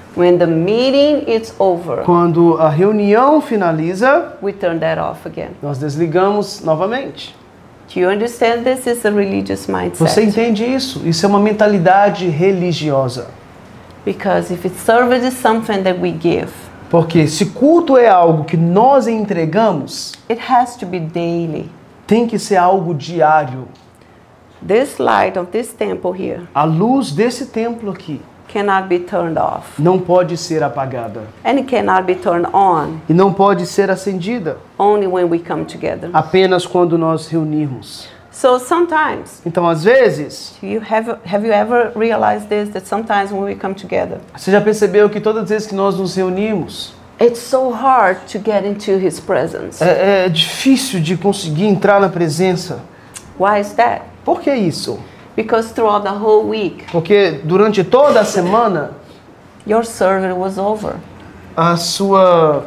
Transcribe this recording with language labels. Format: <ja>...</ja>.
<en>When the meeting is over,</en> <pt>quando a reunião finaliza,</pt> <en>we turn that off again.</en> <pt>Nós desligamos novamente.</pt> <en>Do you understand this is a religious mindset?</en> <pt>Você entende isso? Isso é uma mentalidade religiosa.</pt> <en>Because if it serves is something that we give,</en> <pt>porque se culto é algo que nós entregamos,</pt> <en>it has to be daily.</en> <pt>Tem que ser algo diário.</pt> <en>This light of this temple here,</en> <pt>a luz desse templo aqui,</pt> <en>cannot be turned off.</en> <pt>Não pode ser apagada.</pt> <en>And it cannot be turned on.</en> <pt>E não pode ser acendida.</pt> <en>Only when we come together.</en> <pt>Apenas quando nós reunirmos.</pt> <en>So sometimes.</en> <pt>Então às vezes.</pt> <en>Have you ever realized this that sometimes when we come together?</en> <pt>Você já percebeu que todas as vezes que nós nos reunimos?</pt> <en>It's so hard to get into his presence.</en> <pt>É difícil de conseguir entrar na presença.</pt> <en>Why is that?</en> <pt>Por que isso?</pt> <en>Because throughout the whole week.</en> <pt>Porque durante toda a semana.</pt> <en>Your service was over.</en> <pt>A sua.</pt>